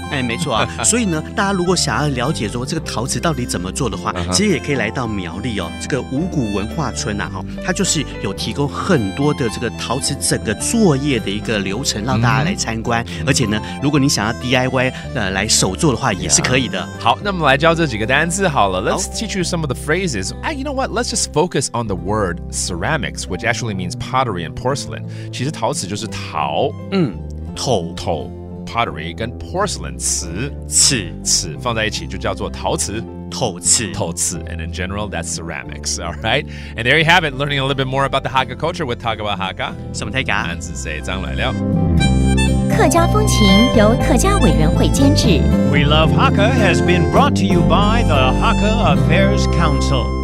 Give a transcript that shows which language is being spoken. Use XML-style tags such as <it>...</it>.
<zh>欸、没错啊所以呢大家如果想要了解说这个陶瓷到底怎么做的话、 uh-huh. 其实也可以来到苗栗哦，这个五谷文化村啊、哦、它就是有提供很多的这个陶瓷整个作业的一个流程让大家来参观、嗯、而且呢如果你想要 DIY、来手做的话也是可以的、yeah. 好，那么来教这几个单字好了。</zh> <en>Let's teach you some of the phrases You know what? Let's just focus on the word ceramics, which actually means pottery and porcelain.</en> <zh>其实陶瓷就是陶，嗯，陶陶 pottery 跟 porcelain 瓷瓷瓷放在一起就叫做陶瓷。陶瓷陶瓷</zh> <en>and in general that's ceramics alright and there you have it, learning a little bit more about the Hakka culture with Talk About Hakka.</en> <zh>什么泰嘎？汉字谁张来了？客家风情由客家委员会监制。</zh> <en>We Love Hakka has been brought to you by the Hakka Affairs Council.</en>